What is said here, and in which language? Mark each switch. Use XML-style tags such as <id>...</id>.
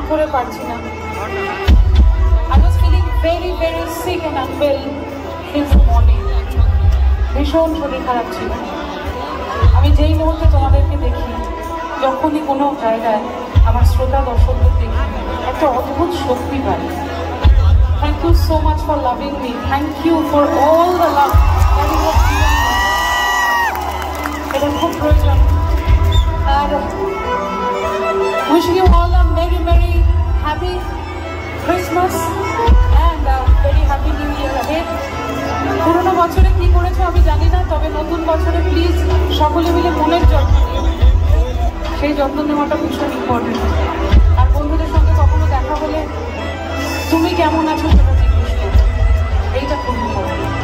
<en>I was feeling very, very sick and unwell since morning.</en> <bn>ভীষণ শরীর খারাপ ছিল। আমি যেই মুহূর্তে তোমাদেরকে দেখি, যখনই কোনো জায়গায় আমার শ্রোতা দর্শকদের দেখি, একটা অদ্ভুত শক্তি পাই।</bn> <en>Thank you so much for loving me. Thank you for all the love that you have given me.</en> <bn>এটা খুব প্রয়োজন।</bn> <en>আর wishing you all a very, very happy Christmas and a very happy new year ahead.</en> <bn>পুরোনো বছরে কি করেছো আমি জানি না, তবে নতুন বছরে প্লিজ সকলে মিলে মনের যত্ন নিও, সেই যত্ন নেওয়াটা ভীষণ ইম্পর্টেন্ট। আর বন্ধুদের সঙ্গে কখনো দেখা হলে তুমি কেমন আছো সেটা জিজ্ঞেস করো, এইটা খুব ইম্পর্টেন্ট।</bn>